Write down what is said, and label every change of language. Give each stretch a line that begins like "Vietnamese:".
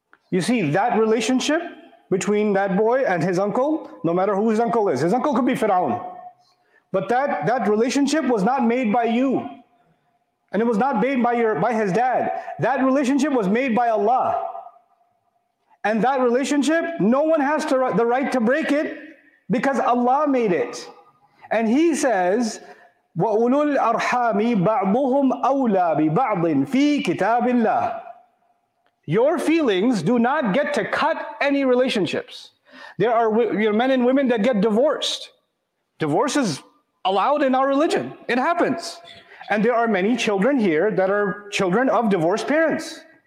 English: You see, that relationship between that boy and his uncle, no matter who his uncle is, his uncle could be Fir'aun. But that relationship was not made by you. And it was not made by his dad. That relationship was made by Allah. And that relationship, no one has the right to break it because Allah made it. And he says,
Arabic: وَأُولُو الْأَرْحَامِ بَعْضُهُمْ أَوْلَى بِبَعْضٍ فِي كِتَابِ اللَّهِ.
English: Your feelings do not get to cut any relationships. There are men and women that get divorced. Divorce is allowed in our religion. It happens. And there are many children here that are children of divorced parents.